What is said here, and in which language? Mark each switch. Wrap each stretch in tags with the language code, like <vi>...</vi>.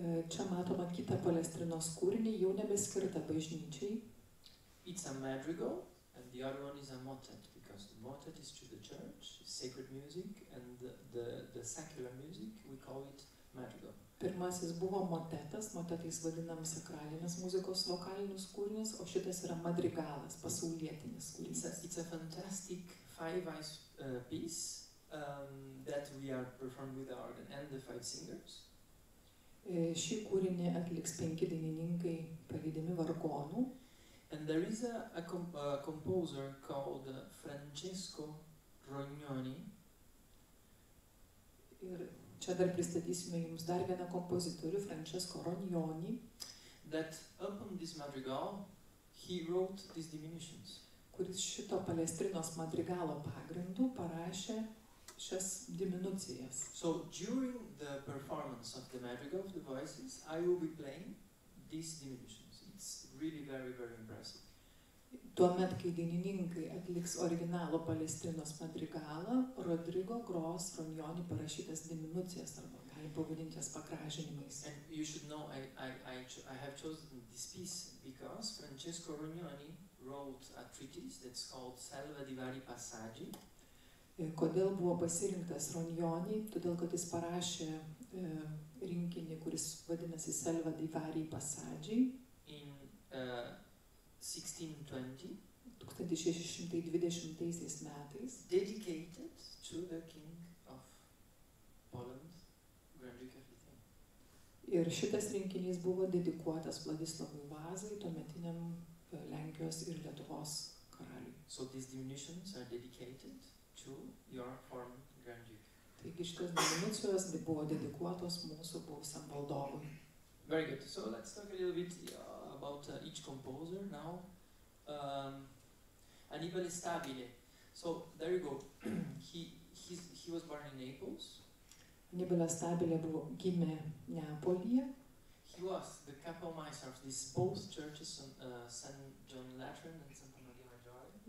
<lt>Čia matoma kitą Palestrinos kūrinį, jau nebeskirta bažnyčiai.</lt> <en>It's a madrigal and the other one is a motet, because the motet is to the church, sacred music, and the secular music, we call it madrigal.</en> <lt>Pirmasis buvo motetas, motetais vadinam sakralinės muzikos vokalinius kūrinius, o šitas yra madrigalas, pasaulietinis kūrinis.</lt> <en>It's a fantastic five-voice piece. That we are performing with the organ and the five singers.</en> <lt>Šį kūrinį atliks penki dainininkai palydimi vargonų.</lt> <en>And there is a composer called Francesco Rognoni.</en> <lt>Ir čia dar pristatysime jums dar vieną kompozitorių, Francesco Rognoni.</lt> <en>That upon this madrigal, he wrote these diminutions.</en> <lt>Kuris šito Palestrinos madrigalo pagrindu parašė šias diminucijas.</lt> <en>So during the performance of the madrigal of the voices, I will be playing these diminutions. It's really very, very impressive.</en> <lt>Tuomet, kai dainininkai atliks originalo Palestrinos madrigalą, Rodrigo gros Rognoni parašytas diminucijas arba gali pavadinti jas pagražinimais.</lt> <en>And you should know I have chosen this piece because Francesco Rognoni wrote a treatise that's called Selva di vari passaggi.</en> <lt>Kodėl buvo pasirinktas Rognoni? Todėl, kad jis parašė rinkinį, kuris vadinasi Selva di vari passaggi.</lt> <en>In 1620</en> <lt>metais.</lt> <en>Dedicated to the king of Poland, Grand Duke of Lithuania.</en> <lt>Ir šitas rinkinys buvo dedikuotas Vladislavui Vazai, tuometiniam Lenkijos ir Lietuvos karaliui.</lt> <en>So these diminutions are dedicated to your form Grand Duke.</en> <lt>Taigi šitas diminucijos buvo dedikuotos mūsų buvusiam valdovui.</lt> <en>Very good. So let's talk a little bit about each composer now. Annibale Stabile. So there you go. He was born in Naples.</en> <lt>Annibale Stabile buvo gimė Neapolyje.</lt> <en>He was the kapelmeister of these both churches, St. John Lateran and St.</en>